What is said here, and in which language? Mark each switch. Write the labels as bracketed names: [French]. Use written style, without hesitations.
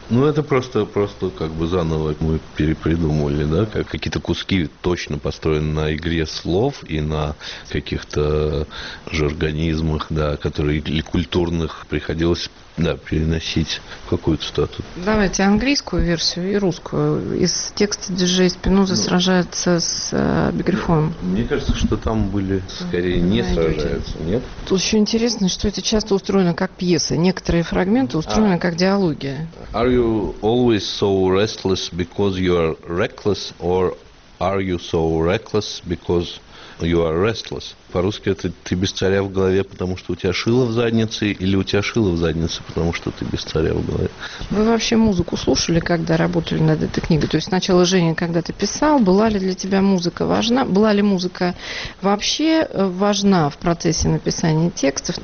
[Russian] Ну, это просто как бы заново мы перепридумывали, да, какие-то куски точно построены на игре слов и на каких-то жаргонизмах, да, которые или культурных приходилось, да, переносить в какую-то статус. Давайте английскую версию и русскую. Из текста диджей Спиноза сражается с Бегрифоном. Мне кажется, что там были скорее сражаются, нет? Тут еще интересно, что это часто устроено как пьеса. Некоторые фрагменты устроены как диалоги. [English] Are you always so restless because you are reckless, or are you so reckless because you are restless? [Russian] По-русски это «ты без царя в голове, потому что у тебя шило в заднице», или «у тебя шило в заднице, потому что ты без царя в голове». Вы вообще музыку слушали, когда работали над этой книгой? То есть сначала, Женя, когда ты писал, была ли для тебя музыка важна? Была ли музыка вообще важна в процессе написания текстов?